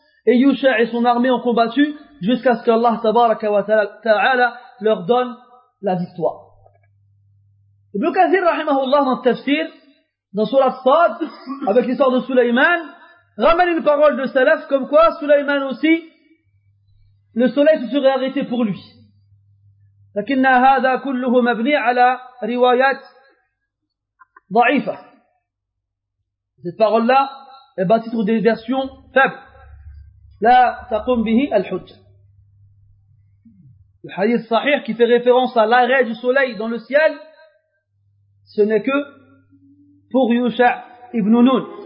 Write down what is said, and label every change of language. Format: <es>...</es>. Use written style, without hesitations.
<fr>Et Yusha et son armée ont combattu jusqu'à ce qu'Allah tabaraka wa ta'ala leur donne la victoire. Ibn Kathir rahimahullah dans le tafsir, dans Surat Sad, avec l'histoire de Sulayman, ramène une parole de Salaf comme quoi Sulayman aussi, le soleil se serait arrêté pour lui.</fr> <ar>لكن هذا كله مبني على روايات ضعيفة.</ar> <fr>Cette parole-là est bâtie sur des versions faibles.</fr> <ar>لا تقوم به الحج.</ar> <fr>Le hadith sahih qui fait référence à l'arrêt du soleil dans le ciel, ce n'est que pour Yusha ibn Nun.</fr>